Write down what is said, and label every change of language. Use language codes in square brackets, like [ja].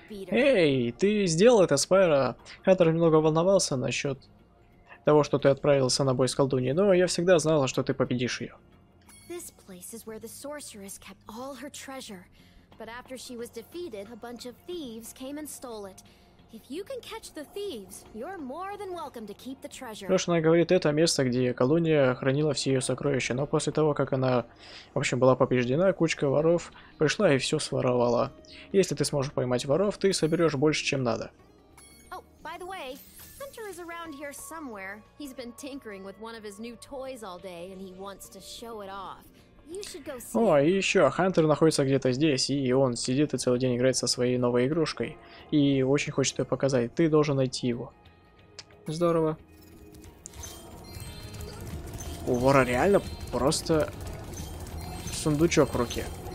[ru] Эй, ты сделал это, Спайро. Хантер немного волновался насчет того, что ты отправился на бой с колдуньей, но я всегда знала, что ты победишь ее. [en] This place is where the sorceress kept all her treasure. But after she was defeated, a bunch of thieves came and stole it. If you can catch the thieves, you're more than welcome to keep the treasure. [ru] Хорошо, она говорит, это место, где колония хранила все ее сокровища. Но после того, как она, в общем, была побеждена, кучка воров пришла и все своровала. Если ты сможешь поймать воров, ты соберешь больше, чем надо. [en] Oh, by the way, Hunter is around here somewhere. He's been tinkering with one of his new toys all day, and he wants to show it off. [ru] О, и еще, Хантер находится где-то здесь, и он сидит и целый день играет со своей новой игрушкой. И очень хочет ее показать. Ты должен найти его. Здорово. У вора реально просто сундучок в руке.